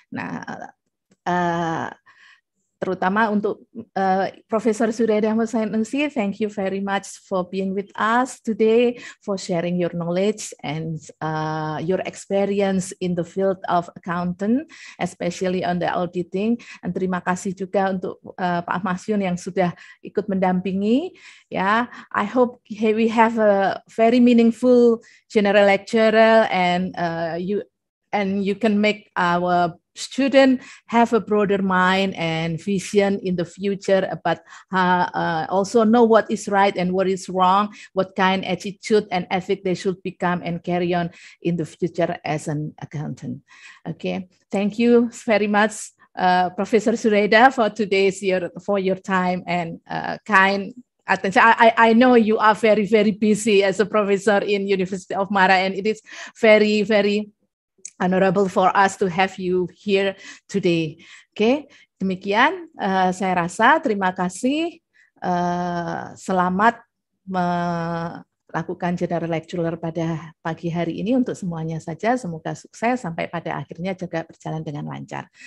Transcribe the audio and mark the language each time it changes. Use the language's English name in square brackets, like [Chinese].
[Indonesian] Nah, terutama untuk [English] Profesor Zuraida Musanusi, thank you very much for being with us today, for sharing your knowledge and your experience in the field of accountant, especially on the auditing. [Indonesian] And terima kasih juga untuk Pak Masyun yang sudah ikut mendampingi. [English] Yeah, I hope we have a very meaningful general lecture and you can make our student have a broader mind and vision in the future, but also know what is right and what is wrong, what kind of attitude and ethic they should become and carry on in the future as an accountant. Okay, thank you very much, Professor Zuraida, for today's your time and kind attention. I know you are very very busy as a professor in University of Mara, and it is very very honorable for us to have you here today. [Indonesian] Oke, demikian saya rasa. Terima kasih. Selamat melakukan general lecture pada pagi hari ini untuk semuanya saja. Semoga sukses sampai pada akhirnya juga berjalan dengan lancar.